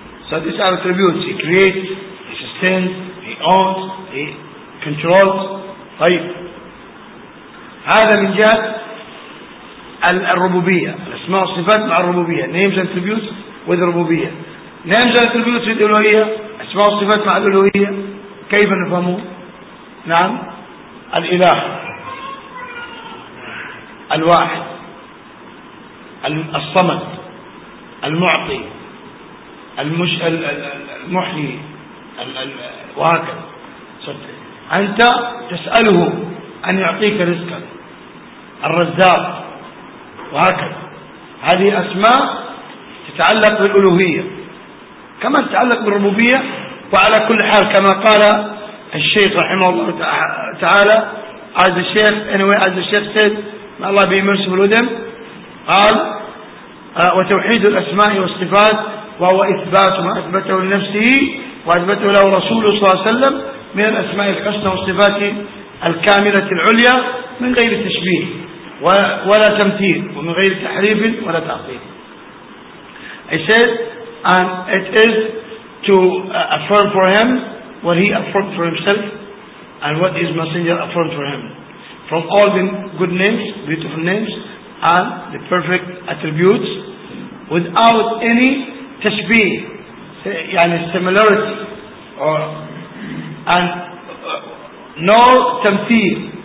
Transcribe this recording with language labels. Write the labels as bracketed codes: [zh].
[en] So these are attributes. He creates, he sustains, he owns, he controls. [ar] طيب هذا من جهة الربوبية, الأسماء والصفات مع الربوبية. [en] Names and attributes with الربوبية. Names and attributes with الألوهية. [ar] أسماء والصفات مع الألوهية. كيف نفهمه؟ نعم, الإله الواحد الصمد المعطي المحيي وهكذا. أنت تسأله أن يعطيك رزقا, الرزاق وهكذا. هذه أسماء تتعلق بالألوهية كما تتعلق بالربوبية. وعلى كل حال كما قال الشيخ رحمه الله تعالى, عز الشيخ anyway, عز الشيخ سيد ما الله به مرسل الودم, قال وتوحيد الأسماء والصفات وهو إثبات ما أثبته لنفسه وأثبته له رسوله صلى الله عليه وسلم من الأسماء الحسنى والصفات الكاملة العليا من غير تشبيه ولا تمثيل ومن غير تحريف ولا تعطيل. [en] I said and it is to affirm for him what he affirmed for himself and what his messenger affirmed for him, from all the good names, beautiful names, and the perfect attributes, without any tashbih, يعني similarity, or and no tamthil,